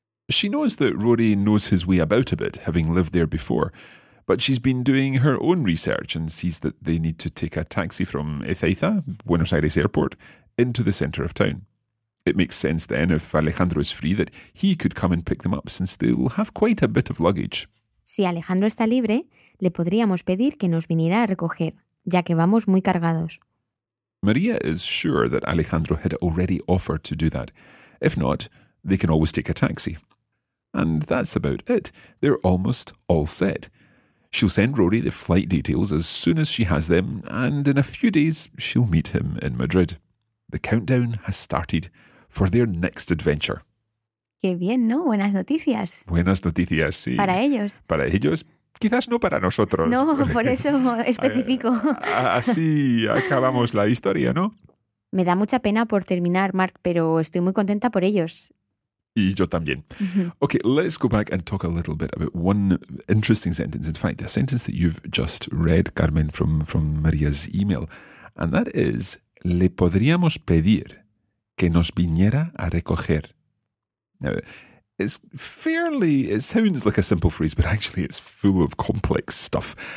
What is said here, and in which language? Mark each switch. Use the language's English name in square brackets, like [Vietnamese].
[English] She knows that Rory knows his way about a bit, having lived there before, but she's been doing her own research and sees that they need to take a taxi from Ezeiza, Buenos Aires Airport, into the centre of town. It makes sense then, if Alejandro is free, that he could come and pick them up, since they'll have quite a bit of luggage. [Spanish] Si Alejandro está libre, le podríamos pedir que nos viniera a recoger, ya que vamos muy cargados. [English] María is sure that Alejandro had already offered to do that. If not, they can always take a taxi. And that's about it. They're almost all set. She'll send Rory the flight details as soon as she has them, and in a few days she'll meet him in Madrid. The countdown has started for their next adventure. [Spanish] Qué bien, ¿no? Buenas noticias. Buenas noticias, sí. Para ellos. Para ellos. Quizás no para nosotros. No, por eso especifico. Así acabamos la historia, ¿no? Me da mucha pena por terminar, Mark, pero estoy muy contenta por ellos. Y yo también. [English] Okay, let's go back and talk a little bit about one interesting sentence. In fact, a sentence that you've just read, Carmen, from María's email. And that is, le podríamos pedir que nos viniera a recoger. Now, it sounds like a simple phrase, but actually it's full of complex stuff.